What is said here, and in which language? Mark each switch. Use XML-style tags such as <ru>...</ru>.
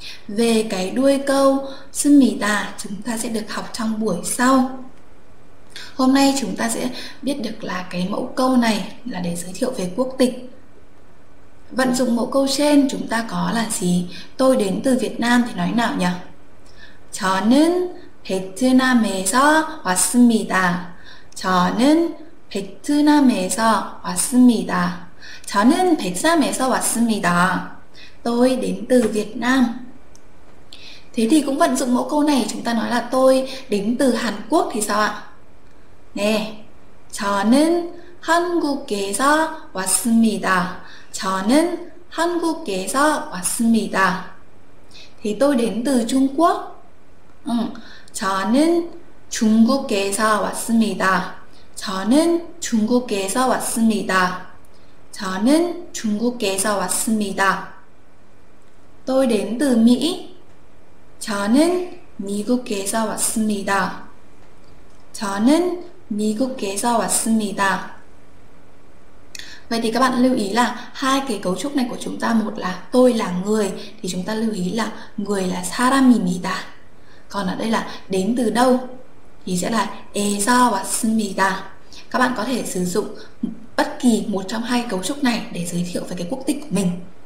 <vi>Về cái đuôi câu 씁니다 chúng ta sẽ được học trong buổi sau. Hôm nay chúng ta sẽ biết được là cái mẫu câu này là để giới thiệu về quốc tịch. Vận dụng mẫu câu trên chúng ta có là gì? Tôi đến từ Việt Nam thì nói nào nhỉ?</vi> <ko>저는 베트남에서 왔습니다. 저는 베트남에서 왔습니다. 저는 베트남에서 왔습니다.</ko> <vi>Tôi đến từ Việt Nam. Thế thì cũng vận dụng mẫu câu này, chúng ta nói là tôi đến từ Hàn Quốc thì sao ạ?</vi> <ko>Nè, 저는 한국에서 왔습니다. 저는 한국에서 왔습니다.</ko> <vi>Thì tôi đến từ Trung Quốc.</vi> <ko>저는 중국에서 왔습니다. 저는 중국에서 왔습니다. 저는 중국에서 왔습니다.</ko> <vi>Tôi đến từ Mỹ.</vi> <ko>저는 미국에서 왔습니다. 저는 미국에서 왔습니다.</ko> <vi>Vậy thì các bạn lưu ý là hai cái cấu trúc này của chúng ta, một là tôi là người, thì chúng ta lưu ý là người là 사람입니다. Còn ở đây là đến từ đâu thì sẽ là</vi> <ko>에서 왔습니다.</ko> <vi>Các bạn có thể sử dụng bất kỳ một trong hai cấu trúc này để giới thiệu về cái quốc tịch của mình.</vi>